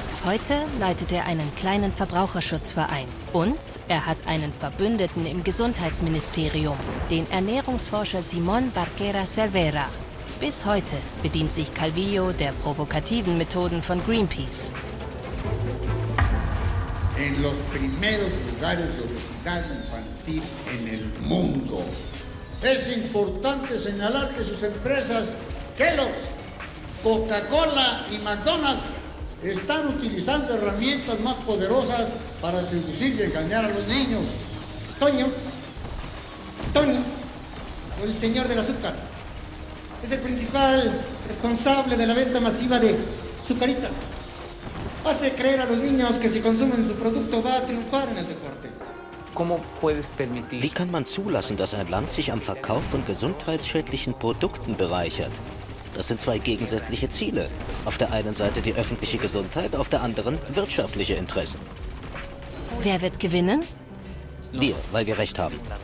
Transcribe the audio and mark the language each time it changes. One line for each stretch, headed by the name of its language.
German: Heute leitet er einen kleinen Verbraucherschutzverein. Und er hat einen Verbündeten im Gesundheitsministerium, den Ernährungsforscher Simon Barquera Cervera. Bis heute bedient sich Calvillo der provokativen Methoden von Greenpeace.
Spanish: En los primeros lugares de obesidad infantil en el mundo. Es importante señalar que sus empresas Kellogg's, Coca-Cola y McDonald's están utilizando herramientas más poderosas para seducir y engañar a los niños. Toño, Toño, el señor del azúcar. Es el principal responsable de la venta masiva de sucaritas. Hace creer a los niños que si consumen su producto va a triunfar en el deporte.
German: Wie kann man zulassen, dass ein Land sich am Verkauf von gesundheitsschädlichen Produkten bereichert? Das sind zwei gegensätzliche Ziele. Auf der einen Seite die öffentliche Gesundheit, auf der anderen wirtschaftliche Interessen. Wer wird gewinnen? Wir, weil wir recht haben.